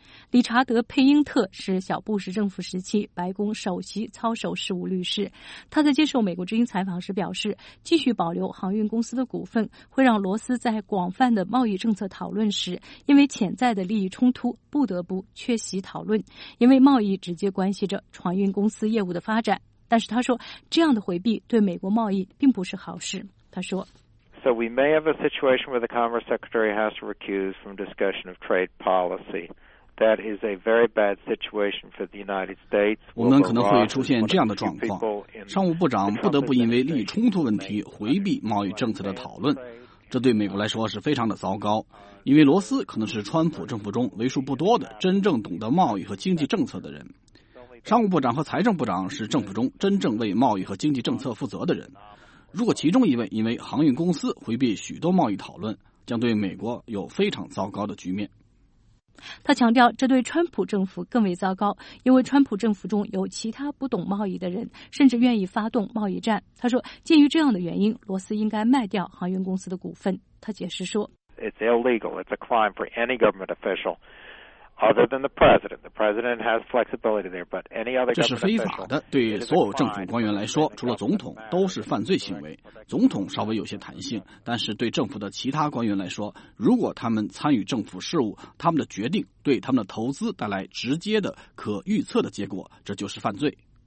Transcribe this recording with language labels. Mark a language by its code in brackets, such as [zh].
[zh] 理查德·佩因特是小布什政府时期白宫首席操守事务律师，他在接受美国之音采访时表示，继续保留航运公司的股份会让罗斯在广泛的贸易政策讨论时因为潜在的利益冲突不得不缺席讨论，因为贸易直接关系着船运公司业务的发展。但是他说，这样的回避对美国贸易并不是好事。他说， [en] So we may have a situation where the Commerce Secretary has to recuse from discussion of trade policy. That is a very bad situation for the United States. [zh] 我们可能会出现这样的状况，商务部长不得不因为利益冲突问题回避贸易政策的讨论，这对美国来说是非常的糟糕，因为罗斯可能是川普政府中为数不多的真正懂得贸易和经济政策的人。商务部长和财政部长是政府中真正为贸易和经济政策负责的人，如果其中一位因为航运公司回避许多贸易讨论，将对美国有非常糟糕的局面。他强调，这对川普政府更为糟糕，因为川普政府中有其他不懂贸易的人，甚至愿意发动贸易战。他说，基于这样的原因，罗斯应该卖掉航运公司的股份。他解释说 [en] ，It's illegal. It's a crime for any government official, other than the president. The president has flexibility there, but any other [zh] 这是非法的，对所有政府官员来说，除了总统，都是犯罪行为。总统稍微有些弹性，但是对政府的其他官员来说，如果他们参与政府事务，他们的决定对他们的投资带来直接的可预测的结果，这就是犯罪。